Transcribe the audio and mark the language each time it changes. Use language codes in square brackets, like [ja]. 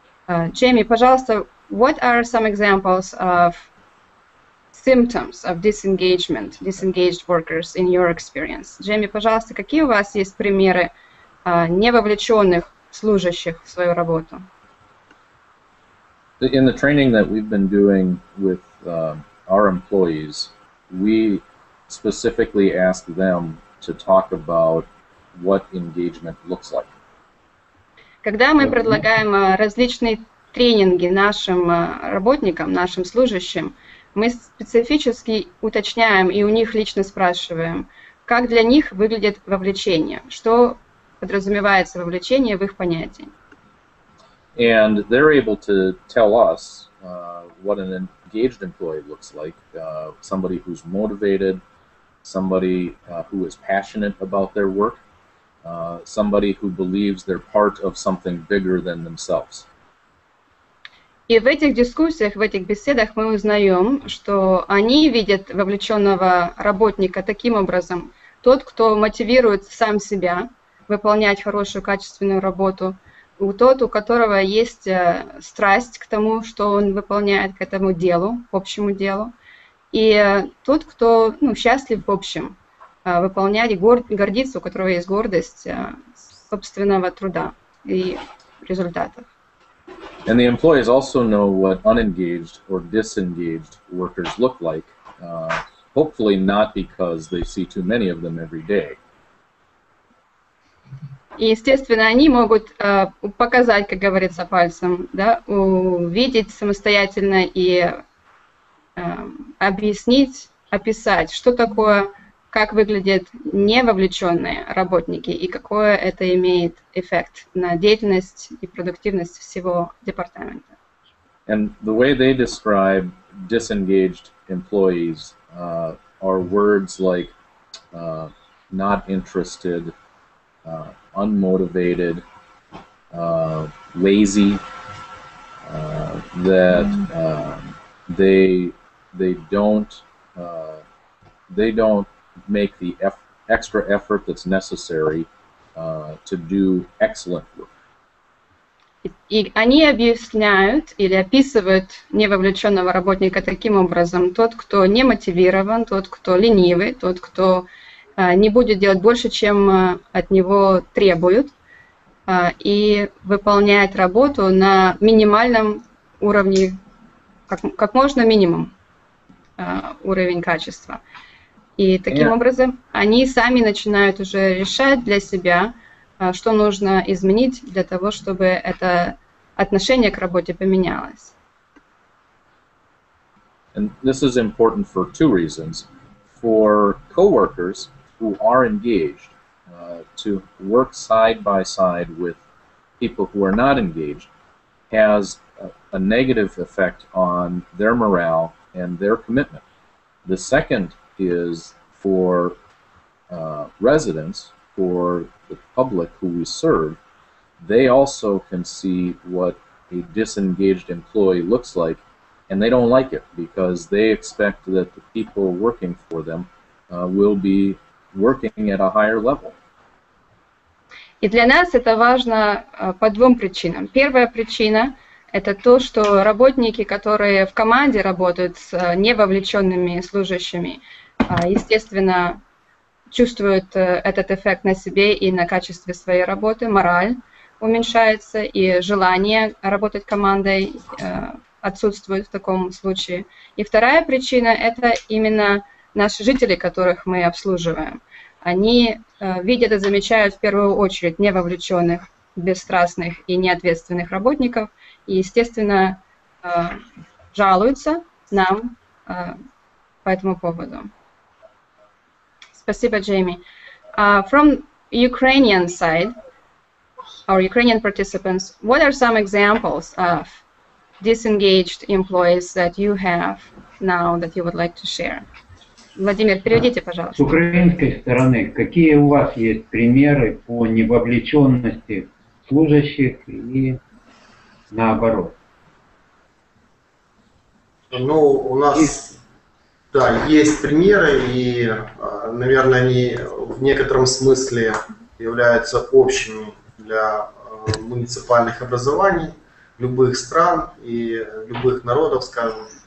[en] Джейми, [ru] пожалуйста, [en] what are some examples of symptoms of disengagement, disengaged workers in your experience? [ru] Джейми, пожалуйста, какие у вас есть примеры невовлеченных служащих в свою работу? [en] In the training that we've been doing with our employees, we specifically ask them to talk about what engagement looks like. [ru] Когда мы предлагаем различные тренинги нашим работникам, нашим служащим, мы специфически уточняем и у них лично спрашиваем, как для них выглядит вовлечение, что подразумевается вовлечение в их понятие. [en] And they're able to tell us what an engaged employee looks like, somebody who's motivated, somebody who is passionate about their work, somebody who believes they're part of something bigger than themselves. [ru] И в этих дискуссиях, в этих беседах мы узнаем, что они видят вовлеченного работника таким образом: тот, кто мотивирует сам себя выполнять хорошую, качественную работу, у тот, у которого есть страсть к тому, что он выполняет, к этому делу, к общему делу, и тот, кто счастлив в общем выполнять, гордится, у которого есть гордость собственного труда и результатов. [en] And the employees also know what unengaged or disengaged workers look like, hopefully not because they see too many of them every day. [ru] И, естественно, они могут показать, как говорится, пальцем, да, увидеть самостоятельно и объяснить, описать, что такое, как выглядят невовлеченные работники и какое это имеет эффект на деятельность и продуктивность всего департамента. [en] And the way they describe disengaged employees are words like not interested, unmotivated, lazy, that they don't make the extra effort that's necessary to do excellent work. [ru] И они объясняют или описывают невовлеченного работника таким образом: тот, кто не мотивирован, тот, кто ленивый, тот, кто не будет делать больше, чем от него требуют, и выполняет работу на минимальном уровне, как можно минимум уровень качества. И таким образом они сами начинают уже решать для себя, что нужно изменить для того, чтобы это отношение к работе поменялось. [en] And this is important for two reasons. For coworkers who are engaged, to work side by side with people who are not engaged has a negative effect on their morale and their commitment. The second is for residents, for the public who we serve, they also can see what a disengaged employee looks like, and they don't like it because they expect that the people working for them will be working at a higher level. [ru] И для нас это важно по двум причинам. Первая причина – это то, что работники, которые в команде работают с невовлеченными служащими, естественно, чувствуют этот эффект на себе и на качестве своей работы, мораль уменьшается, и желание работать командой отсутствует в таком случае. И вторая причина – это именно наши жители, которых мы обслуживаем. Они видят и замечают в первую очередь невовлеченных, бесстрастных и неответственных работников и, естественно, жалуются нам по этому поводу. Спасибо, Джейми. [en] From Ukrainian side, our Ukrainian participants, what are some examples of disengaged employees that you have now that you would like to share? [ru] Владимир, переведите, пожалуйста. С украинской стороны, какие у вас есть примеры по невовлеченности служащих и наоборот? Ну, у нас да, есть примеры, и, наверное, они в некотором смысле являются общими для муниципальных образований любых стран и любых народов, скажем.